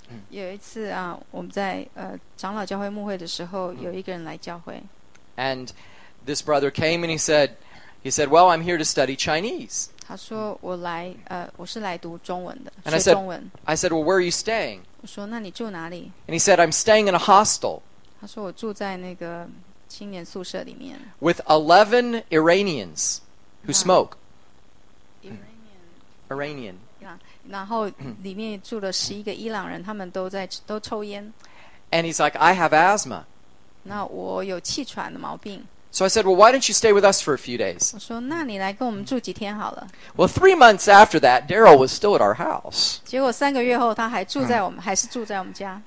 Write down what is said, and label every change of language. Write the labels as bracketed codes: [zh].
[zh] 有一次啊，我们在长老教会牧会的时候，有一个人来教会。 [en] And this brother came and he said, "Well, I'm here to study Chinese." [zh] 他说我来我是来读中文的，学中文。 [en] I said, "Well, where are you staying?" [zh] 我说那你住哪里？ [en] And he said, "I'm staying in a hostel." [zh] 他说我住在那个青年宿舍里面。 [en] With 11 Iranians who smoke. Iranian. [zh] 然后里面住了十一个伊朗人，他们都抽烟。 [en] And he's like, I have asthma. [zh] 那我有气喘的毛病。 [en] So I said, well, why don't you stay with us for a few days? [zh] 我说，那你来跟我们住几天好了。 [en] Well, 3 months after that, Daryl was still at our house. [zh] 结果三个月后，他还住在我们，还是住在我们家。